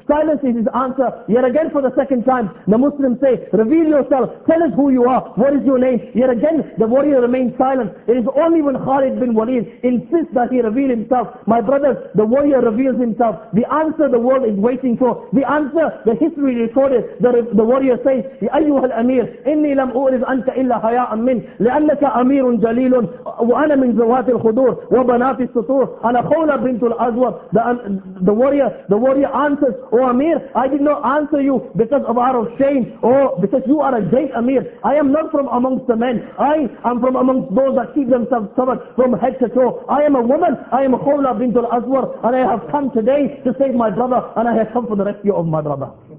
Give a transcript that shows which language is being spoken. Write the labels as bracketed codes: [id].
[en] Silence is his answer. Yet again for the second time, the Muslims say, "Reveal yourself. Tell us who you are. What is your name?" Yet again, the warrior remains silent. It is only when Khalid bin Walid insists that he reveal himself. My brothers, the warrior reveals himself. The answer the world is waiting for. The answer the history recorded. The warrior says, [ar] "Ya ayyuha al-amir, inni lam u'rid anka illa haya'an min. لأنك أمير جليل وأنا من ذوات الخدور وبنات السطور أنا خولة بنت الأزور." [en] The warrior answers, "Oh Amir, I did not answer you because of out of shame or because you are a great Amir. I am not from amongst the men. I am from amongst those that keep themselves covered from head to toe. I am a woman. I am خولة بنت الأزور and I have come today to save my brother and I have come for the rescue of my brother."